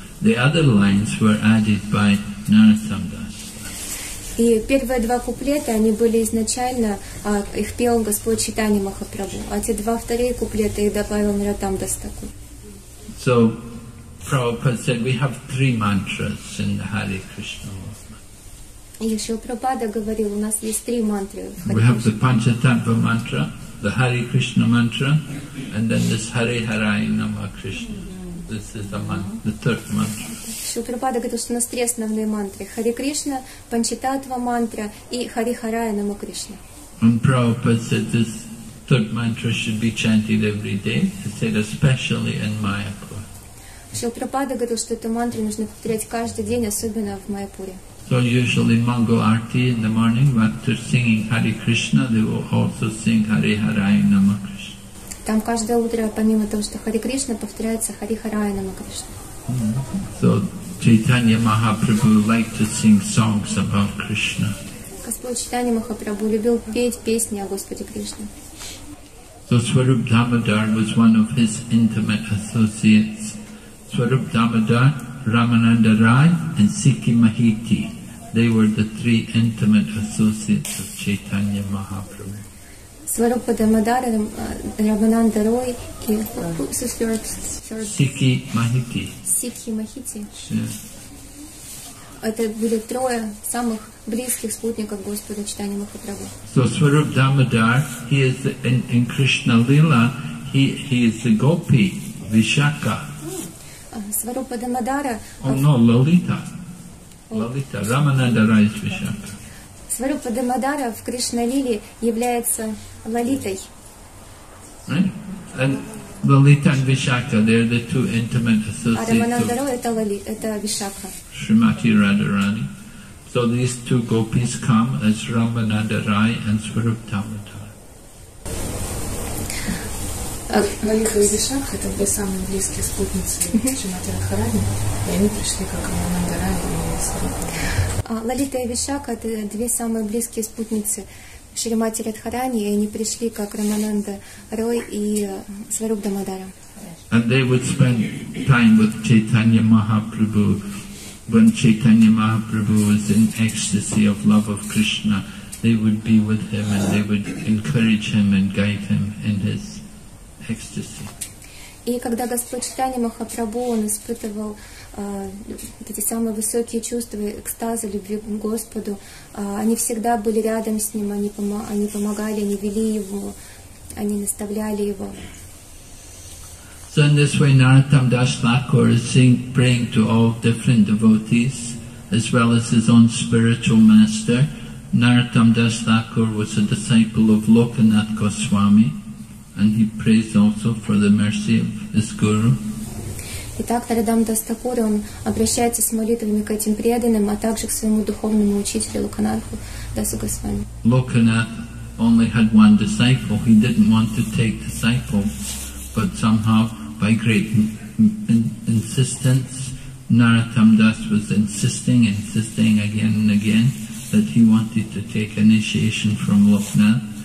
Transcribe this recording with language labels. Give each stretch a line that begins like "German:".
English: The other lines were added by Narottam Das.
Russian: И первые 2 куплета, они были изначально, их пел Господь Чайтанья Махапрабху. А те 2 вторые куплета, их добавил Нараттам Дас такой.
English: So, Prabhupada said, we have 3 mantras in the Hare Krishna.
Russian: Ишил Прабхупада говорил, у нас есть три мантры.
English: We have the Panchatattva mantra, the Hare Krishna mantra, and then this Hare Harai Nama Krishna. This is the mantra, the third mantra.
Russian: Шрила Прабхупада говорит, что у нас три основные мантры. Хари Кришна, Панчататва мантра и Хари Харая Нама Кришна.
English: And Prabhupada said this third mantra should be chanted every day. He said especially in Майяпур.
Russian: Шрила Прабхупада говорит, что эту мантру нужно повторять каждый день, особенно в Майяпуре.
English: So usually Mangal Arti in the morning, after singing Hare Krishna, they will also sing Hare Harai Nama Krishna.
Russian: Там каждое утро, помимо того, что Хари Кришна, повторяется Хари Харая Нама Кришна.
English: So Chaitanya Mahaprabhu liked to sing songs about Krishna.
Russian: Господь Чайтанья Махапрабху любил петь песни о Господе Кришне.
English: So Swarup Damodar was one of his intimate associates. Swarup Damodar, Ramananda Rai and Sikki Mahiti, they were the three intimate associates of Chaitanya Mahaprabhu.
Russian: Сварупа Дамодара, Рамананда Рой, Сикхи Махити. Сикхи Махити.
English: Yeah.
Russian: Это были трое самых близких спутников Господа Чайтанья Махапрабху.
English: So Сварупа Дамодар, he is the, in Krishna Lila, he is the gopi, Вишака.
Russian: Сварупа Дамодара.
English: Oh no, Лалита. Лалита. Рамананда Рай is Вишака.
Russian: Сварупа Дамодара в Кришна Лиле является Лалитой.
English: Right? And Lalita and Vishakha, they are the two intimate associates of Srimati Radharani. So these two gopis come as Ramananda Rai and Swarup Dhammadhar.
Russian: Lalita and Vishakha, это две самые близкие спутницы Шримати Радхарани, и они пришли как Рамананда Рай и Свару. Лалита и Вишакха, это две самые близкие спутницы Шримати Радхарани, и они пришли как Рамананда Рой и Сварупа Дамодара.
English: And they would spend time with Chaitanya Mahaprabhu when Chaitanya Mahaprabhu was in ecstasy of love of Krishna. They would be with him and they would encourage him and guide him in his ecstasy.
Russian: И когда Господь Чайтанья Махапрабху, он испытывал эти самые высокие чувства экстаза, любви к Господу, они всегда были рядом с ним, они помогали, они вели его, они наставляли его.
English: So in this way Narottam Das Thakur is praying to all different devotees, as well as his own spiritual master. Narottam Das Thakur was a disciple of Lokanath Goswami. And he prays also for the mercy of his guru.
Russian: Итак, Нарадам Дас Такур, он обращается с молитвами к этим преданным, а также к своему духовному учителю Локанатху Дасу Госвами.
English: Lokanath only had one disciple. He didn't want to take disciples, but somehow, by great insistence, Narottam Das was insisting again and again that he wanted to take initiation from Lokanath.